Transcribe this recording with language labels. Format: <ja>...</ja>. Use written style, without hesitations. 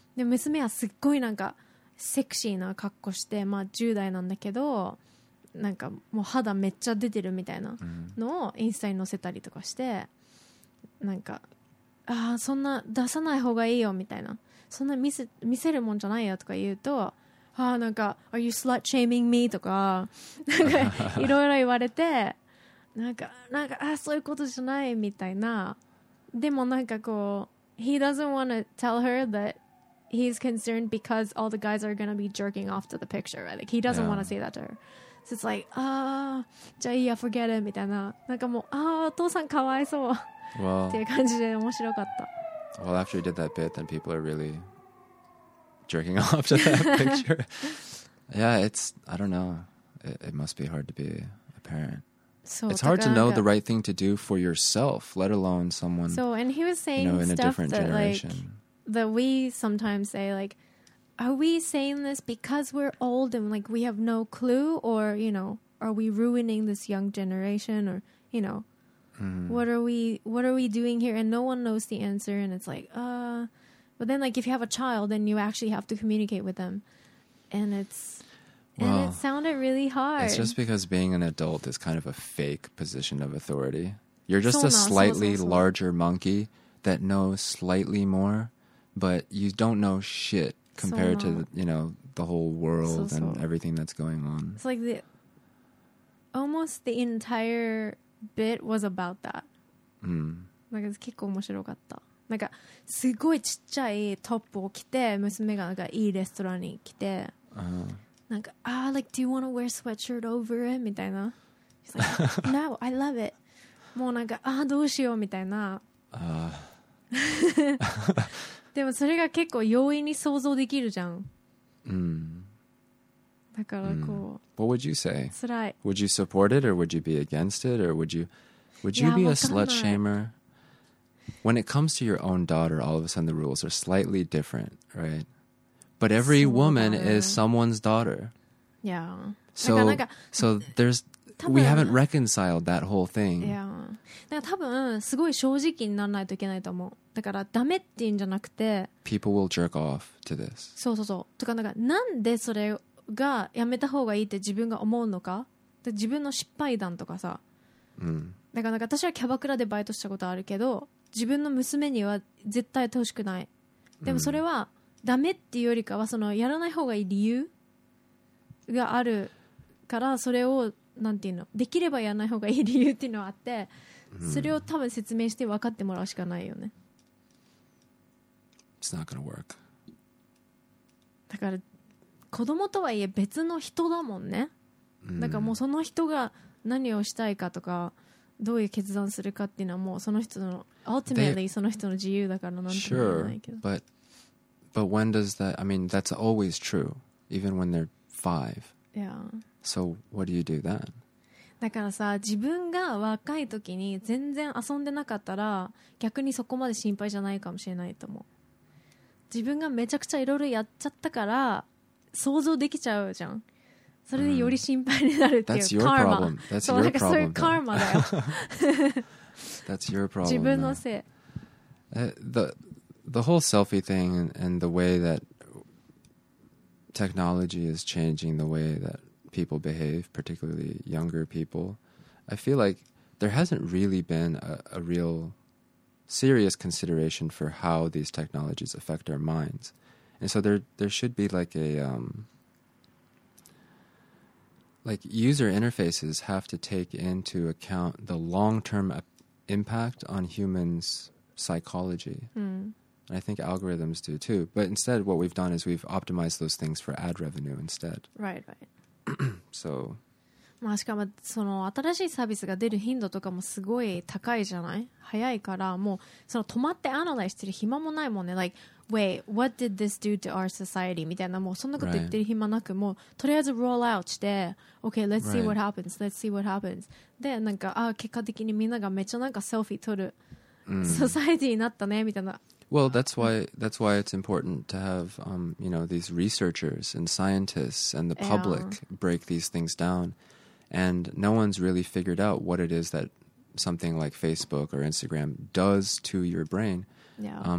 <ja>で、娘はすっごいなんかセクシーな格好して、まあ10代なんだけど、なんかもう肌めっちゃ出てるみたいなのをインスタに載せたりとかして、なんか、ああ、そんな出さない方がいいよみたいな。そんな見せるもんじゃないよとか言うと、ああ、なんか、</ja> <en>Are you slut shaming me?</en> <ja>とか、なんかいろいろ言われて、なんか、ああ、そういうことじゃないみたいな。でもなんかこう、</ja> <en>He doesn't want to tell her that he's concerned because all the guys are going to be jerking off to the picture, right? Like, he doesn't want to say that to her. So it's like, ah,</en> <ja>じゃあいいや、</ja> <en>forget it</en> <ja>みたいな。なんかもう、ああ、お父さんかわいそう。</ja> <en>Well,</en> <ja>っていう感じで面白かった。</ja> <en>Well, after you did that bit, then people are really jerking off to that picture. Yeah, it's, I don't know. It must be hard to be a parent. So, it's hard to know the right thing to do for yourself, let alone someone. So, and he was saying, you know, in stuff a different that, generation. Like, that we sometimes say, like, are we saying this because we're old and like we have no clue? Or, you know, are we ruining this young generation? Or, you know, What are we doing here? And no one knows the answer. And it's like, but then like if you have a child, then you actually have to communicate with them. And it's, well, and it sounded really hard. It's just because being an adult is kind of a fake position of authority. You're just a slightly larger monkey that knows slightly more, but you don't know shit compared to, you know, the whole world and everything that's going on. It's like the, almost the entire bit was about that.</en> <ja>なんか結構面白かった。なんかすごいちっちゃいトップを着て、娘がなんかいいレストランに来て、なんか、</ja> <en>ah, like, do you want to wear a sweatshirt over it?</en> <ja>みたいな。</ja> <en>She's like, no, I love it.</en> <ja>もうなんか、ah, どうしようみたいな。でもそれが結構容易に想像できるじゃん。だからこう、</ja> <en>What would you say?</en> <ja>辛い。</ja> <en>Would you support it or would you be against it or would you be a slut shamer? When it comes to your own daughter, all of a sudden the rules are slightly different, right? But every woman is someone's daughter. Yeah. So there's, we haven't reconciled that whole thing. Yeah.</en> <ja>多分すごい正直にならないといけないと思う。だからダメっていうんじゃなくて、</ja> <en>People will jerk off to this.</en> <ja>そうそうそう。とかなんかなんでそれがやめた方がいいって自分が思うのか、で自分の失敗談とかさ、だからなんか私はキャバクラでバイトしたことあるけど、自分の娘には絶対やってほしくない。でもそれはダメっていうよりかはそのやらない方がいい理由があるから、それをなんていうの、できればやらない方がいい理由っていうのはあって、それを多分説明して分かってもらうしかないよね。</ja> <en>It's not gonna work.</en> <ja>だから子供とはいえ別の人だもんね。だからもうその人が何をしたいかとか、どういう決断するかっていうのはもうその人の、ultimately その人の自由だからなんて言わないけど。</ja> <en>Sure, but when does that, I mean, that's always true, even when they're five. Yeah. So what do you do then?</en> <ja>だからさ、自分が若い時に全然遊んでなかったら、逆にそこまで心配じゃないかもしれないと思う。自分がめちゃくちゃいろいろやっちゃったから、想像できちゃうじゃん。それでより心配になるっていう、</ja> <en>カーマ。That's your problem.</en> <ja>そういうカーマだよ。</ja> <en>That's your problem.</en> <ja>自分のせい。</ja> <en>The whole selfie thing and the way that technology is changing the way that people behave, particularly younger people, I feel like there hasn't really been a real serious consideration for how these technologies affect our minds. And so there should be like a, like user interfaces have to take into account the long-term impact on humans' psychology. And I think algorithms do too. But instead, what we've done is we've optimized those things for ad revenue instead. Right, right. So.</en> <ja>まあしかもその新しいサービスが出る頻度とかもすごい高いじゃない？早いからもうその止まってアナライズしてる暇もないもんね。</ja> <en>Like, wait, what did this do to our society?</en> <ja>みたいな、もうそんなこと言ってる暇なく、もうとりあえず</ja> <en>roll out</en> <ja>して、</ja> <en>okay, let's see what happens, let's see what happens.</en> <ja>で、なんか、ああ、結果的にみんながめっちゃなんかセルフィー撮る、ソサエティになったね、みたいな。</ja> <en>Well, that's why it's important to have, you know, these researchers and scientists and the public break these things down. And no one's really figured out what it is that something like Facebook or Instagram does to your brain. Yeah.</en>